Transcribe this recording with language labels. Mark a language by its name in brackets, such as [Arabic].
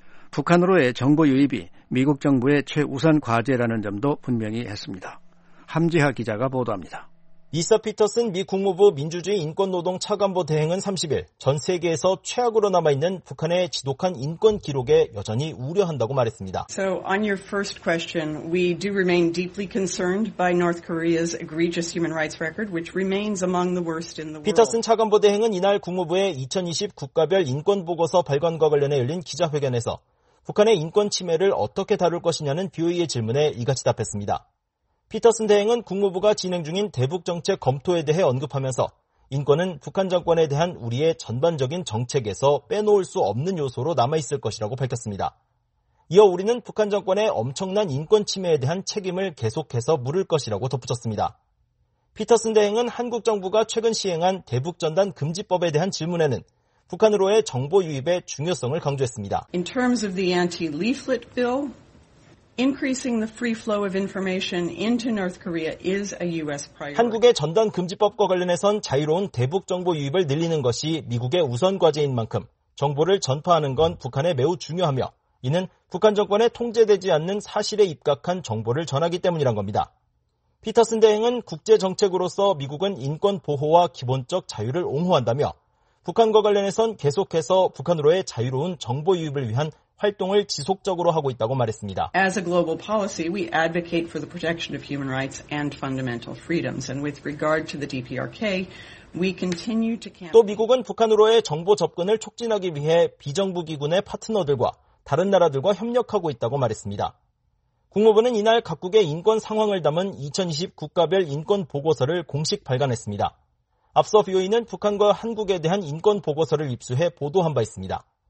[Korean] 북한으로의 정보 유입이 미국 정부의 최우선 과제라는 점도 분명히 했습니다. 함지하 기자가 보도합니다. 리사 피터슨 미 국무부 민주주의 인권노동 차관보 대행은 30일 전 세계에서 최악으로 남아있는 북한의 지독한 인권 기록에 여전히 우려한다고 말했습니다. [English] So on your first question, we do remain deeply concerned by North Korea's egregious human rights record, which remains among the worst in the world. [Korean] 피터슨 차관보 대행은 이날 국무부의 2020 국가별 인권보고서 발간과 관련해 열린 기자회견에서 북한의 인권 침해를 어떻게 다룰 것이냐는 BOE의 질문에 이같이 답했습니다. 피터슨 대행은 국무부가 진행 중인 대북 정책 검토에 대해 언급하면서 인권은 북한 정권에 대한 우리의 전반적인 정책에서 빼놓을 수 없는 요소로 남아있을 것이라고 밝혔습니다. 이어 우리는 북한 정권의 엄청난 인권 침해에 대한 책임을 계속해서 물을 것이라고 덧붙였습니다. 피터슨 대행은 한국 정부가 최근 시행한 대북 전단 금지법에 대한 질문에는 북한으로의 정보 유입의 중요성을 강조했습니다. [English] In terms of the anti-leaflet bill, increasing the free flow of information into North Korea is a U.S. priority. [Korean] 한국의 전단 금지법과 관련해선 자유로운 대북 정보 유입을 늘리는 것이 미국의 우선 과제인 만큼 정보를 전파하는 건 북한에 매우 중요하며 이는 북한 정권에 통제되지 않는 사실에 입각한 정보를 전하기 때문이란 겁니다. 피터슨 대행은 국제 정책으로서 미국은 인권 보호와 기본적 자유를 옹호한다며 북한과 관련해선 계속해서 북한으로의 자유로운 정보 유입을 위한 활동을 지속적으로 하고 있다고 말했습니다. [English] As a global policy, we advocate for the protection of human rights and fundamental freedoms. And with regard to the DPRK, we continue to campaign. [Korean] 또 미국은 북한으로의 정보 접근을 촉진하기 위해 비정부기구의 파트너들과 다른 나라들과 협력하고 있다고 말했습니다. 국무부는 이날 각국의 인권 상황을 담은 2020 국가별 인권 보고서를 공식 발간했습니다. 앞서 BOE는 북한과 한국에 대한 인권 보고서를 입수해 보도한 바 있습니다.